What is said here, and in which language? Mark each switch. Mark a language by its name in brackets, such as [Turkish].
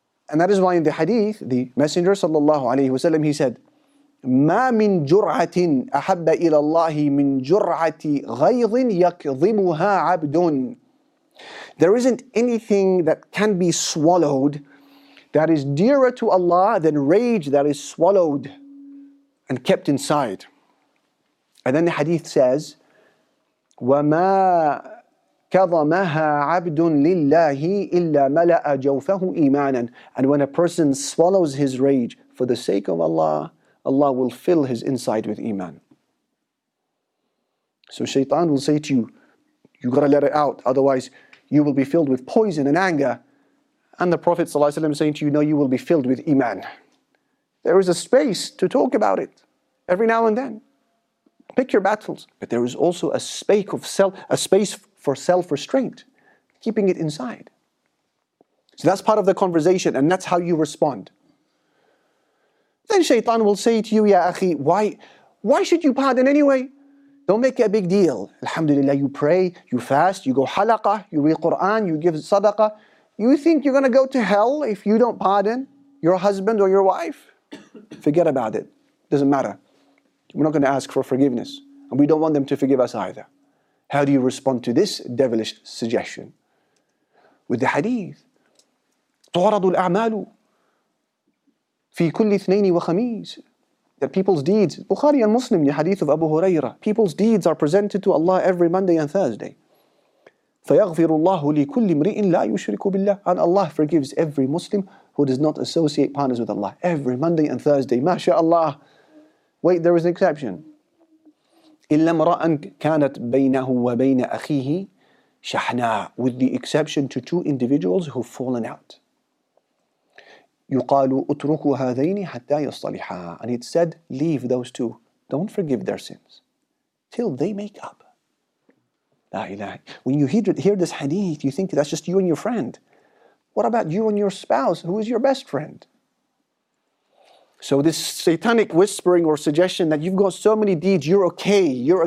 [English] And that is why in the hadith, the Messenger sallallahu alayhi wasallam, he said, [Arabic] مَا مِن جُرْعَةٍ أَحَبَّ إِلَى اللَّهِ مِن جُرْعَةِ غَيْظٍ يَكْظِمُهَا عَبْدٌ. [English] There isn't anything that can be swallowed that is dearer to Allah than rage that is swallowed and kept inside. And then the hadith says, [Arabic] وَمَا كَظَمَهَا عَبْدٌ لِلَّهِ إِلَّا مَلَأَ جَوْفَهُ إِيمَانًا. [English] And when a person swallows his rage for the sake of Allah, Allah will fill his inside with iman. So shaitan will say to you, you got to let it out, otherwise you will be filled with poison and anger. And the Prophet ﷺ is saying to you, no, you will be filled with iman. There is a space to talk about it every now and then. Pick your battles. But there is also a space for self-restraint, keeping it inside. So that's part of the conversation, and that's how you respond. Then shaitan will say to you, ya akhi, why should you pardon anyway? Don't make it a big deal. Alhamdulillah, you pray, you fast, you go halaqah, you read Quran, you give sadaqah. You think you're going to go to hell if you don't pardon your husband or your wife? Forget about it. Doesn't matter. We're not going to ask for forgiveness. And we don't want them to forgive us either. How do you respond to this devilish suggestion? With the hadith, [Arabic] تُعْرَضُ الْأَعْمَالُ فِي كُلِّ اثْنَيْنِ وَخَمِيسٍ. [English] That people's deeds, Bukhari and Muslim, the hadith of Abu Hurairah, people's deeds are presented to Allah every Monday and Thursday. [Arabic] فَيَغْفِرُ اللَّهُ لِكُلِّ مْرِئٍ لَا يُشْرِكُ بِاللَّهِ. [English] And Allah forgives every Muslim who does not associate partners with Allah every Monday and Thursday. MashaAllah. Wait, there is an exception. [Arabic] إِلَّا مْرَأً كَانَتْ بَيْنَهُ وَبَيْنَ أَخِيهِ شَحْنَاءً. [English] With the exception to two individuals who've fallen out. [Arabic] يُقَالُ أُتْرُكُ هَذَيْنِ حَتَّى يَصْطَلِحَا. [English] And it said, leave those two. Don't forgive their sins till they make up. La ilaha. When you hear this hadith, you think that's just you and your friend. What about you and your spouse, who is your best friend? So this satanic whispering or suggestion that you've got so many deeds, you're okay.